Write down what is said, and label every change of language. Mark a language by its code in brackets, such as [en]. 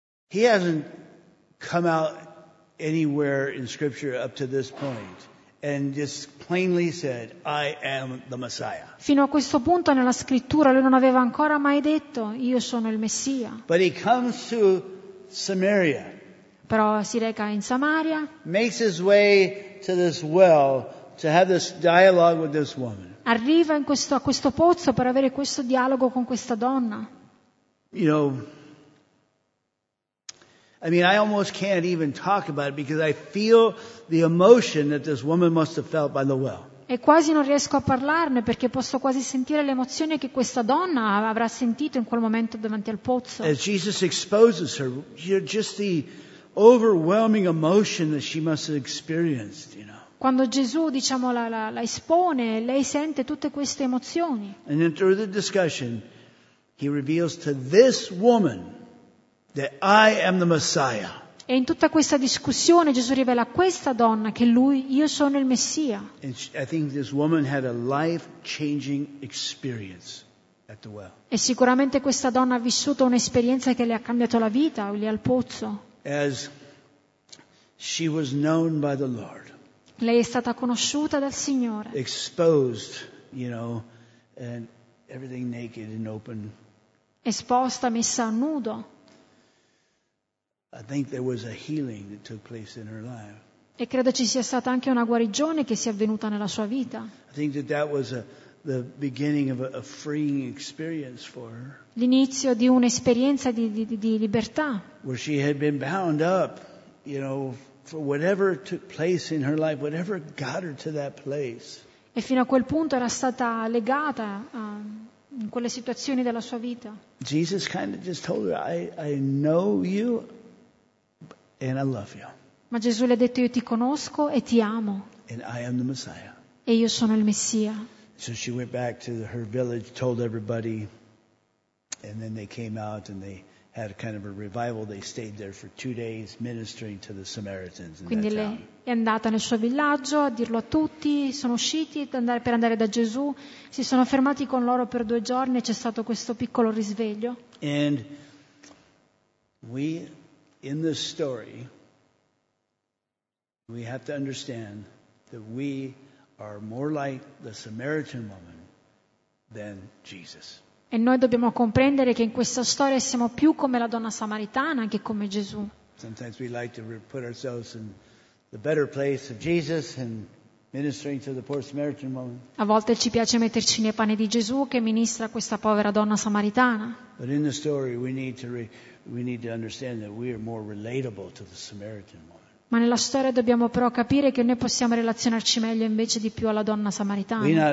[en] He hasn't come out anywhere in scripture up to this point and just plainly said, "I am the Messiah." [it] Fino a questo punto nella scrittura lui non aveva ancora mai detto: "Io sono il Messia." [en] But he comes to Samaria. [it] Però si reca in Samaria. [en] Makes his way to this well to have this dialogue with this woman. [it] Arriva a questo pozzo per avere questo dialogo con questa donna. [en] You know, I mean, I almost can't even talk about it because I feel the emotion that this woman must have felt by the well. [it] E quasi non riesco a parlarne perché posso quasi sentire l'emozione che questa donna avrà sentito in quel momento davanti al pozzo. [en] As Jesus exposes her, just the overwhelming emotion that she must have experienced, you know. [it] Quando Gesù, diciamo, la espone, lei sente tutte queste emozioni. [en] And then through the discussion, he reveals to this woman that I am the Messiah. [it] E in tutta questa discussione Gesù rivela a questa donna che lui, io sono il Messia. [en] And I think this woman had a life-changing experience at the well. [it] E sicuramente questa donna ha vissuto un'esperienza che le ha cambiato la vita lì al pozzo. [en] As she was known by the Lord. [it] Lei è stata conosciuta dal Signore. [en] Exposed, you know, and everything naked and open. [it] Esposta, messa a nudo. [en] I think there was a healing that took place in her life. [it] E credo ci sia stata anche una guarigione che sia avvenuta nella sua vita. [en] I think that was the beginning of a freeing experience for her. [it] L'inizio di un'esperienza di libertà. [en] Where she had been bound up, you know, for whatever took place in her life, whatever got her to that place. [it] E fino a quel punto era stata legata in quelle situazioni della sua vita. [en] Jesus kind of just told her, I know you. And I love you. [it] Ma Gesù le ha detto: io ti conosco e ti amo. [en] And I am the Messiah. [it] e io sono il Messia. [en] So she went back to her village, told everybody, and then they came out and they had a kind of a revival. They stayed there for 2 days ministering to the Samaritans. [it] Quindi lei è andata nel suo villaggio a dirlo a tutti, sono usciti per andare da Gesù, si sono fermati con loro per 2 giorni e c'è stato questo piccolo risveglio. [en] And we, in this story, we have to understand that we are more like the Samaritan woman than Jesus. [it] E noi dobbiamo comprendere che in questa storia siamo più come la donna samaritana che come Gesù. [en] Sometimes we like to put ourselves in the better place of Jesus and ministering to the poor Samaritan woman. [it] A volte ci piace metterci nei panni di Gesù che ministra questa povera donna samaritana. [en] But in the story we need to understand that we are more relatable to the Samaritan woman. [it] Ma nella storia dobbiamo però capire che noi possiamo relazionarci meglio invece di più alla donna samaritana.